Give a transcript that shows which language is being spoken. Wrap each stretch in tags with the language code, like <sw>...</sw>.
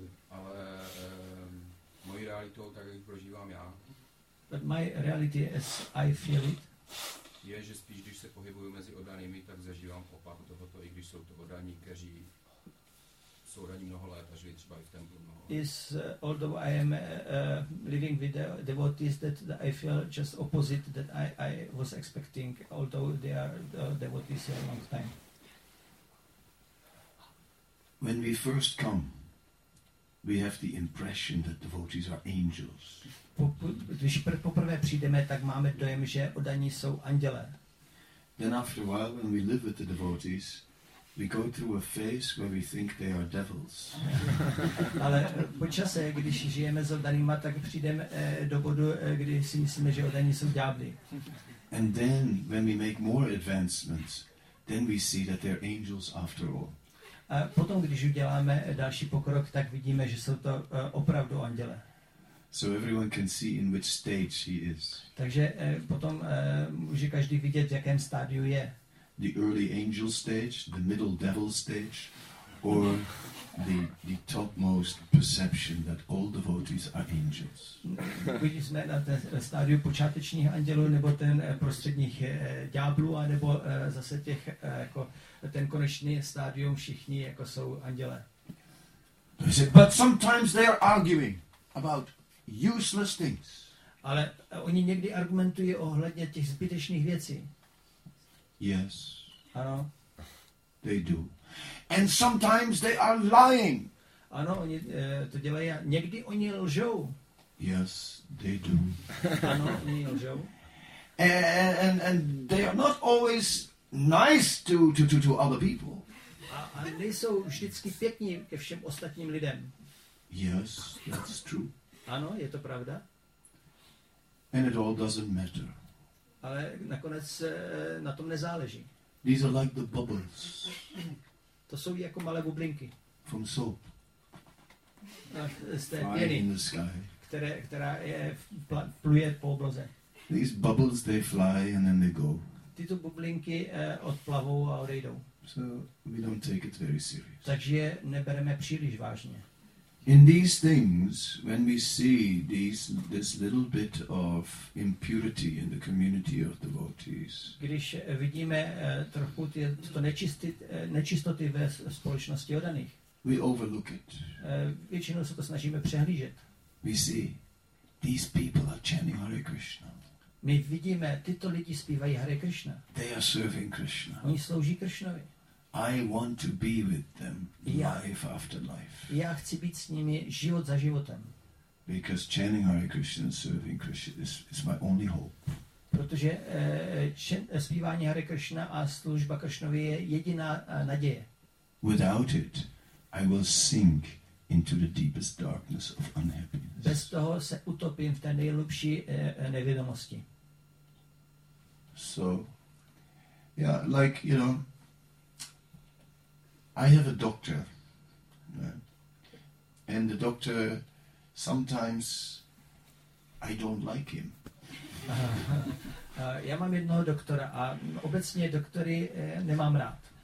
<cs>Ale moji realitou, tak jak prožívám já.</cs> <en>But my reality as I feel it.</en> <cs>Je, že spíš, když se pohybuju mezi oddanými, tak zažívám opak tohoto, i když jsou to oddaní, kteří jsou oddaní mnoho let a žijí třeba i v templu mnoho.</cs> <en>Although I am living with the devotees, that I feel just opposite that I was expecting, although they are the devotees here a long time. When we first come, we have the impression that devotees are angels.</en> <cs>Když poprvé přijdeme, tak máme dojem, že oddaní jsou andělé.</cs> <en>Then after a while, when we live with the devotees, we go through a phase where we think they are devils.</en> <cs>Ale po čase, když žijeme s oddanýma, tak přijdeme do bodu, kdy si myslíme, že oddaní jsou ďábli.</cs> <en>And then, when we make more advancements, then we see that they're angels after all.</en> <cs>A potom, když uděláme další pokrok, tak vidíme, že jsou to opravdu anděle.</cs> <en>So everyone can see in which stage he is.</en> <cs>Takže potom může každý vidět, v jakém stádiu je.</cs> <en>The early angel stage, the middle devil stage, or the topmost perception that all devotees are angels.</en> <cs>Když jsme na ten stádiu počátečních andělů, nebo ten prostředních ďáblů, anebo zase těch jako ten konečný stádium, všichni jako jsou anděle.</cs> <en>But sometimes they are arguing about useless things.</en> <cs>Ale oni někdy argumentují ohledně těch zbytečných věcí.</cs> <en>Yes.</en> <cs>Ano.</cs> <en>They do. And sometimes they are lying.</en> <cs>Ano, oni to dělají. Někdy oni lžou.</cs> <en>Yes, they do.</en> <cs>Ano, oni lžou.</cs> <en>And they are not always nice to other people.</en> <cs>A nejsou vždycky pěkní ke všem ostatním lidem.</cs> <en>Yes, that's true.</en> <cs>Ano, je to pravda.</cs> <en>And it all doesn't matter.</en> <cs>Ale nakonec na tom nezáleží.</cs> <en>These are like the bubbles.</en> <cs>To jsou jako malé bublinky.</cs> <en>From soap.</en> <cs>Z té pěny,</cs> <en>in the sky.</en> <cs>Která je pluje po obloze.</cs> <en>These bubbles, they fly and then they go.</en> <cs>Tyto bublinky odplavou a odejdou.</cs> <en>So we don't take it very serious.</en> <cs>Takže je nebereme příliš vážně.</cs> <en>In these things, when we see this little bit of impurity in the community of devotees,</en> <cs>když vidíme trochu nečistoty ve společnosti odaných,</cs> <en>we overlook it.</en> <cs>Většinou se to snažíme přehlížet.</cs> <en>We see these people are chanting Hare Krishna.</en> <cs>My vidíme, tyto lidi zpívají Hare Krishna.</cs> <en>They are serving Krishna.</en> <cs>Oni slouží Krishnovi.</cs> <en>I want to be with them life after life.</en> <cs>Já chci být s nimi život za životem.</cs> <en>Because chanting Hare Krishna and serving Krishna is my only hope.</en> <cs>Protože zpívání Hare Krishna a služba Krishnovi je jediná naděje.</cs> <en>Without it, I will sink into the deepest darkness of unhappiness.</en> <cs>Bez toho se utopím v té nejhlubší nevědomosti.</cs> <en>So, yeah, like, you know, I have a doctor, right? And the doctor, sometimes, I don't like him.</en> <cs>Já mám jednoho doktora a obecně doktory nemám rád.</cs>